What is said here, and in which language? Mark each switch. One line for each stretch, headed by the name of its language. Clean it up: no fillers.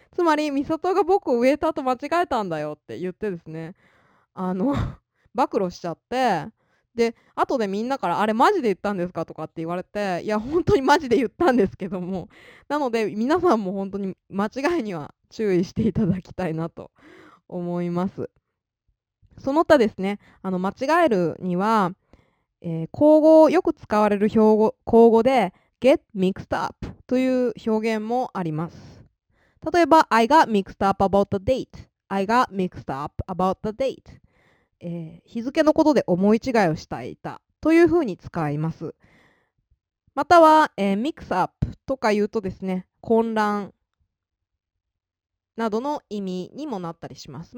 Japanese: つまり、ミサトが僕をウェイターと間違えたんだよって言ってですね、暴露しちゃって、で、後でみんなから、あれマジで言ったんですかとかって言われて、いや、本当にマジで言ったんですけども、なので、皆さんも本当に間違いには注意していただきたいなと思います。その他ですね、間違えるには、口語をよく使われる口語で
English: get mixed up
Japanese: という表現もあります。
English: 例えば I got mixed up about the date。 I got mixed up about the date、
Japanese: 日付のことで思い違いをしていたというふうに使います。または、mix up とか言うとですね、混乱などの意味にもなったりします。